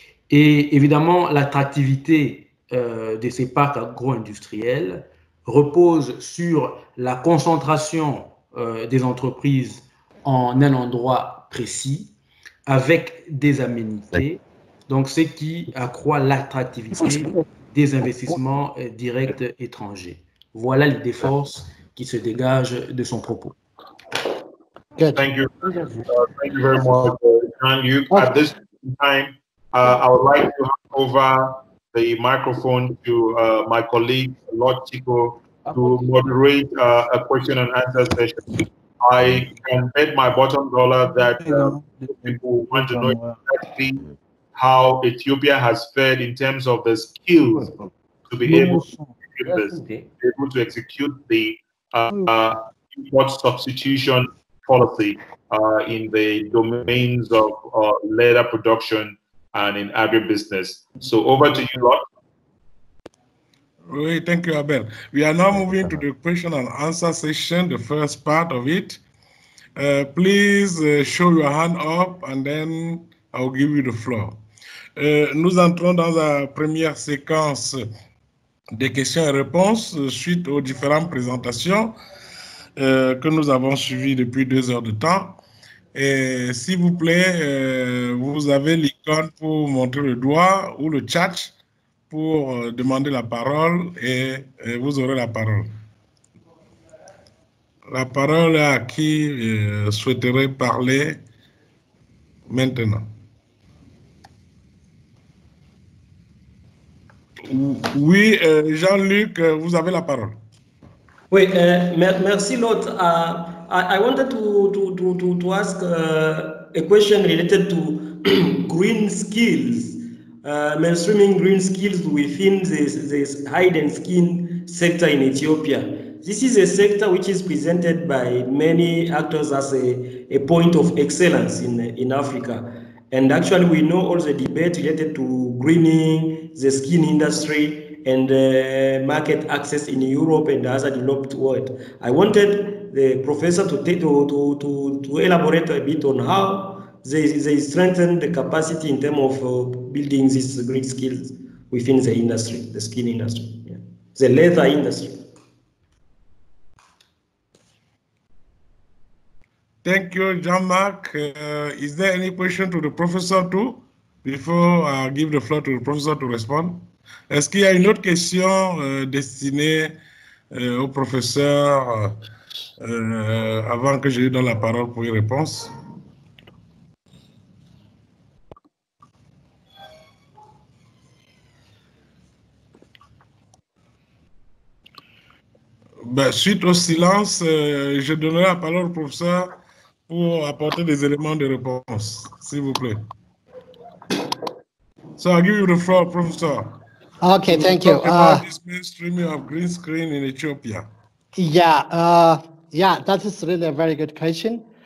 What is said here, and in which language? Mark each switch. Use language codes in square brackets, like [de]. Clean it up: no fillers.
[fr] Et évidemment, l'attractivité de ces parcs agro-industriels repose sur la concentration des entreprises en un endroit précis, avec des aménités, donc ce qui accroît l'attractivité des investissements directs étrangers. Voilà les forces qui se dégagent de son propos. [en] Thank you. Thank you very much, Jean-Luc. At this time, I would like to hand over the microphone to my colleague, Lord Chico, to moderate a question and answer session. I can bet my bottom dollar that people want to know exactly how Ethiopia has fared in terms of the skills to be able to execute this, able to execute the import substitution policy in the domains of leather production and in agribusiness. So over to you, Lord. Great, thank you, Abel. We are now moving to the question and answer session, the first part of it. Please show your hand up and then I'll give you the floor. [fr] Nous entrons dans la première séquence des questions et réponses suite aux différentes présentations que nous avons suivies depuis 2 heures de temps. Et s'il vous plaît, vous avez l'icône pour montrer le doigt ou le chat pour demander la parole et vous aurez la parole. La parole à qui souhaiterait parler maintenant. Oui, Jean-Luc, vous avez la parole. Oui, merci Lord. [en] I wanted to ask a question related to green skills. Mainstreaming green skills within the hide and skin sector in Ethiopia. This is a sector which is presented by many actors as a point of excellence in Africa. And actually we know all the debate related to greening, the skin industry, and market access in Europe and the other developed world. I wanted the professor to elaborate a bit on how they strengthen the capacity in terms of building these great skills within the industry, the skin industry, yeah. The leather industry. Thank you, Jean-Marc. Is there any question to the professor too, before I give the floor to the professor to respond? Est-ce qu'il y a une autre question destinée au professeur avant que je lui donne la parole pour une réponse? Ben, suite au silence, je donnerai la parole au professeur pour apporter des éléments de réponse, s'il vous plaît. So I give you the floor, professor. Okay, thank you. This mainstreaming of green screen in Ethiopia. Yeah, that is really a very good question.